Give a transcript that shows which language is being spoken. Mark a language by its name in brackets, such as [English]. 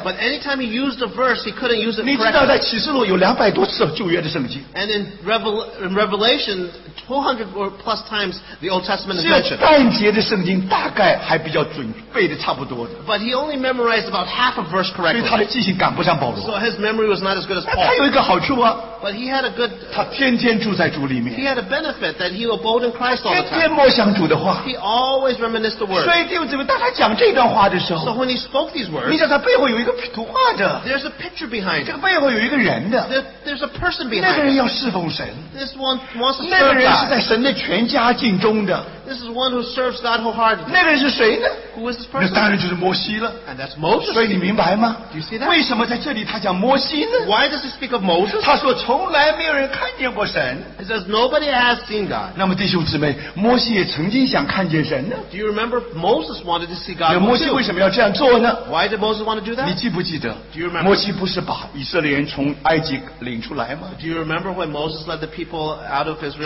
[English] but anytime he used a verse he couldn't use it correctly. [Chinese] 你知道在启示录有200多次旧约的圣经, [English] and in Revelation 200 or plus times the Old Testament is mentioned. [Chinese] 但节的圣经大概还比较准, 背得差不多的, [English] but he only memorized about half a verse correctly. [Chinese] 所以他的记性赶不上保罗, [English] so his memory was not as good as [Chinese] 那他有一个好处啊。 [English] But he had a good. [Chinese] 他天天住在主里面。 [English] He had a benefit that he abode in Christ all the time. [Chinese] 天天默想主的话。 [English] He always reminisced the word. [Chinese] 所以弟兄姊妹，当他讲这段话的时候。 [English] So when he spoke these words. [Chinese] 你知道他背后有一个图画的。 [English] There's a picture behind. [Chinese] 这个背后有一个人的。 [English] There's a person behind. [Chinese] 那个人要侍奉神。 [English] This one wants to serve God. [Chinese] 那个人是在神的全家境中的。 [English] This is one who serves God wholeheartedly. [Chinese] 那个人是谁呢？ [English] Who is this person? [Chinese] 那当然就是摩西了。 [English] And that's Moses. [Chinese] 所以你明白吗？ [English] Do you see that? [Chinese] 为什么在这里他讲摩西呢？ [English] Why does he speak of Moses? [Chinese] 他说。从来没有人看见过神。 [English] He says nobody has seen God. [Chinese] 那么弟兄姊妹，摩西也曾经想看见神呢。 [English] Do you remember Moses wanted to see God? [Chinese] 摩西为什么要这样做呢？ [English] Why did Moses want to do that? [Chinese] 你记不记得？ [English] Do you remember? [Chinese] 摩西不是把以色列人从埃及领出来吗？ [English] Do you remember when Moses led the people out of Israel?